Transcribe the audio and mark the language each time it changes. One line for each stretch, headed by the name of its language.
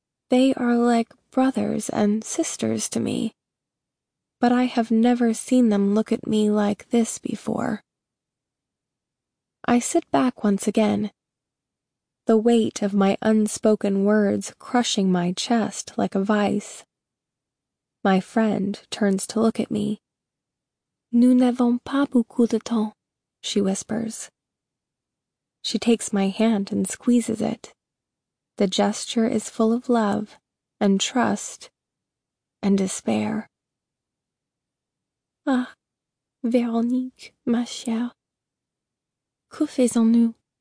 English: They are like brothers and sisters to me, but I have never seen them look at me like this before. I sit back once again, the weight of my unspoken words crushing my chest like a vice. My friend turns to look at me.
French: Nous n'avons pas beaucoup de temps,
English: she whispers. She takes my hand and squeezes it. The gesture is full of love and trust and despair.
French: Ah, Véronique, ma chère, que faisons-nous?